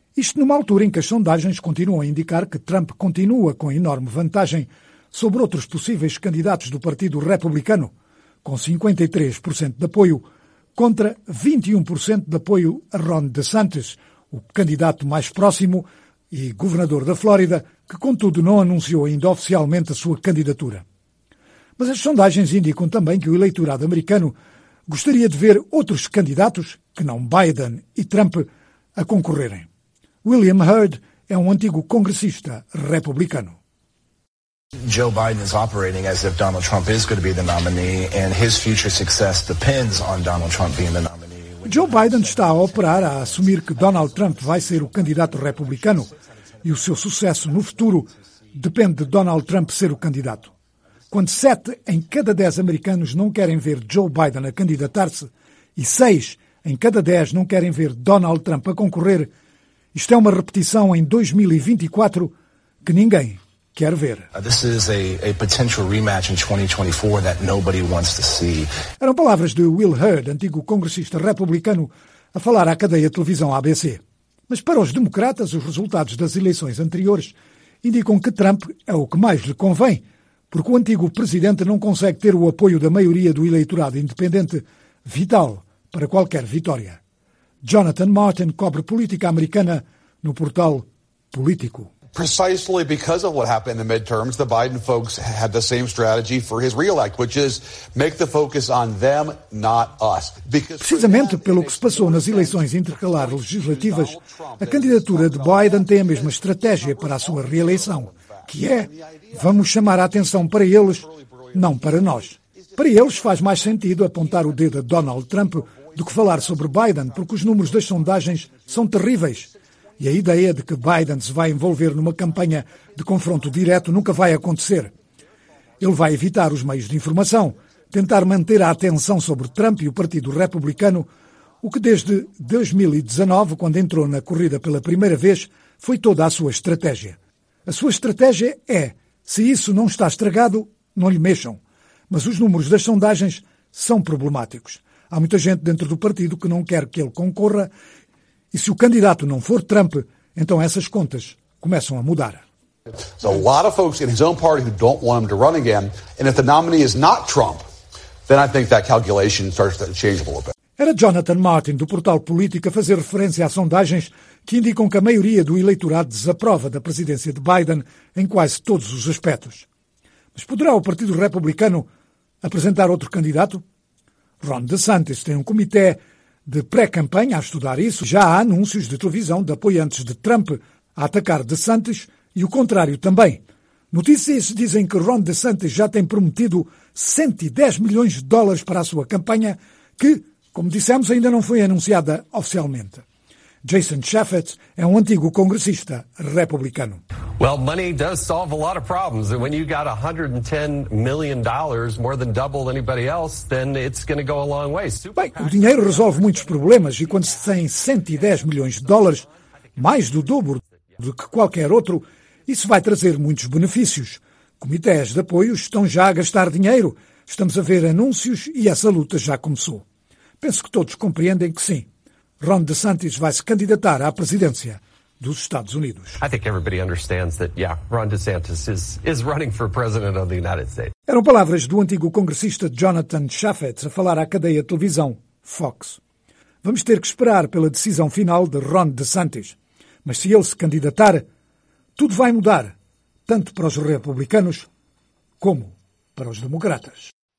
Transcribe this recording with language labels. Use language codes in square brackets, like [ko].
[pt] Isto numa altura em que as sondagens continuam a indicar que Trump continua com enorme vantagem sobre outros possíveis candidatos do Partido Republicano, com 53% de apoio, contra 21% de apoio a Ron DeSantis, o candidato mais próximo e governador da Flórida, que contudo não anunciou ainda oficialmente a sua candidatura. Mas as sondagens indicam também que o eleitorado americano gostaria de ver outros candidatos, que não Biden e Trump, a concorrerem. William Hurd é um antigo congressista republicano. [en] Joe Biden is operating as if Donald Trump is going to be the nominee and his future success depends on Donald Trump being the nominee. [pt] Joe Biden está a operar a assumir que Donald Trump vai ser o candidato republicano e o seu sucesso no futuro depende de Donald Trump ser o candidato. Quando 7 em cada 10 americanos não querem ver Joe Biden a candidatar-se e 6 em cada 10 não querem ver Donald Trump a concorrer, isto é uma repetição em 2024 que ninguém quer ver. [en] This is a potential rematch in 2024 that nobody wants to see. [pt] Eram palavras de Will Hurd, antigo congressista republicano, a falar à cadeia de televisão ABC. Mas para os democratas, os resultados das eleições anteriores indicam que Trump é o que mais lhe convém, porque o antigo presidente não consegue ter o apoio da maioria do eleitorado independente, vital para qualquer vitória. Jonathan Martin cobre política americana no portal Político. [en] Precisely because of what happened in the midterms, the Biden folks had the same strategy for his reelect, which is make the focus on them, not us. [pt] Precisamente pelo que se passou nas eleições intercalares legislativas, a candidatura de Biden tem a mesma estratégia para a sua reeleição, que é vamos chamar a atenção para eles, não para nós. Para eles faz mais sentido apontar o dedo a Donald Trump do que falar sobre Biden, porque os números das sondagens são terríveis. E a ideia de que Biden se vai envolver numa campanha de confronto direto nunca vai acontecer. Ele vai evitar os meios de informação, tentar manter a atenção sobre Trump e o Partido Republicano, o que desde 2019, quando entrou na corrida pela primeira vez, foi toda a sua estratégia. A sua estratégia é, se isso não está estragado, não lhe mexam. Mas os números das sondagens são problemáticos. Há muita gente dentro do partido que não quer que ele concorra e se o candidato não for Trump, então essas contas começam a mudar. [en] A lot of folks in his own party who don't want him to run again, and if the nominee is not Trump, then I think that calculation starts to change a little bit. [pt] Era Jonathan Martin do portal Política a fazer referência às sondagens que indicam que a maioria do eleitorado desaprova da presidência de Biden em quase todos os aspectos. Mas poderá o Partido Republicano apresentar outro candidato? Ron DeSantis tem um comitê de pré-campanha a estudar isso. Já há anúncios de televisão de apoiantes de Trump a atacar DeSantis e o contrário também. Notícias dizem que Ron DeSantis já tem prometido $110 milhões para a sua campanha, que, Como dissemos, ainda não foi anunciada oficialmente. Jason Chaffetz é um antigo congressista republicano. [en] Well, money does solve a lot of problems. And when you got $110 million, more than double anybody else, then it's going to go a long way. [pt] Bem, o dinheiro resolve muitos problemas e quando se tem 110 milhões de dólares, mais do dobro do que qualquer outro, isso vai trazer muitos benefícios. Comitês de apoio estão já a gastar dinheiro. Estamos a ver anúncios e essa luta já começou. Penso que todos compreendem que sim. Ron DeSantis vai se candidatar à presidência dos Estados Unidos. [en] I think everybody understands that, yeah, Ron DeSantis is running for president of the United States. [pt] Eram palavras do antigo congressista Jonathan Chaffetz a falar à cadeia de televisão Fox. Vamos ter que esperar pela decisão final de Ron DeSantis. Mas se ele se candidatar, tudo vai mudar, tanto para os republicanos como para os democratas.